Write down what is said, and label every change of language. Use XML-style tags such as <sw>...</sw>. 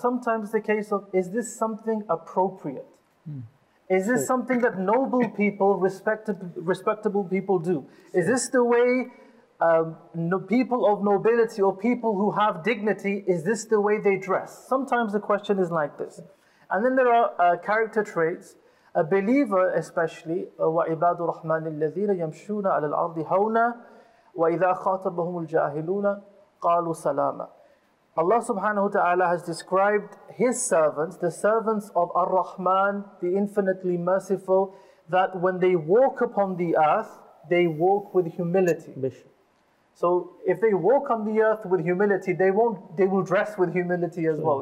<en>Sometimes it's a case of, is this something appropriate? Is this something that noble people, respectable people do? Is this the way people of nobility or people who have dignity, is this the way they dress? Sometimes the question is like this. And then there are character traits. A believer especially,</en> <ar>وَعِبَادُ رَحْمَنِ الَّذِينَ يَمْشُونَ عَلَى الْأَرْضِ هَوْنًا وَإِذَا خَاطَبَهُمُ الْجَاهِلُونَ قَالُوا سَلَامًا.</ar> <en>Allah subhanahu wa ta'ala has described His servants, the servants of Ar-Rahman, the infinitely merciful, that when they walk upon the earth, they walk with humility. So if they walk on the earth with humility, they will dress with humility as well.</en>